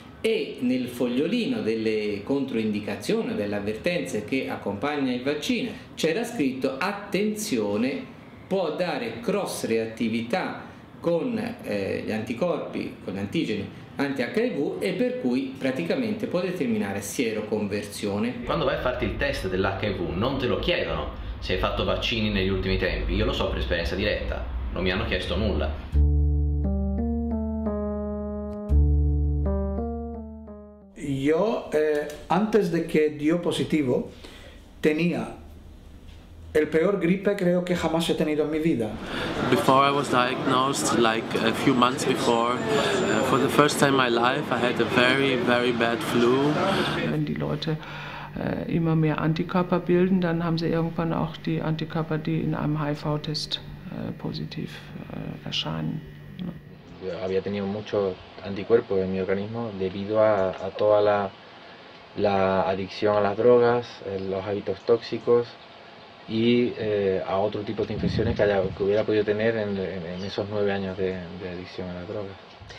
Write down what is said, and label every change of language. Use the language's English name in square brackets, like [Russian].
[Italian] E nel fogliolino delle controindicazioni, delle avvertenze che accompagna il vaccino, c'era scritto: attenzione, può dare cross reattività con gli anticorpi, con gli antigeni anti-HIV, e per cui praticamente può determinare sieroconversione. Quando vai a farti il test dell'HIV non te lo chiedono se hai fatto vaccini negli ultimi tempi, io lo so per esperienza diretta, non mi hanno chiesto nulla. [Spanish] Yo, antes de que dio positivo, tenía el peor gripe creo que jamás he tenido en mi vida. [English] Before I was diagnosed, like a few months before, for the first time in my life, I had a very, very bad flu. [German] Wenn die Leute immer mehr Antikörper bilden, dann haben sie irgendwann auch die Antikörper, die in einem HIV-Test positiv erscheinen. [Spanish] Había tenido muchos anticuerpos en mi organismo debido a toda la adicción a las drogas, los hábitos tóxicos y a otro tipo de infecciones que hubiera podido tener en esos 9 años de adicción a las drogas.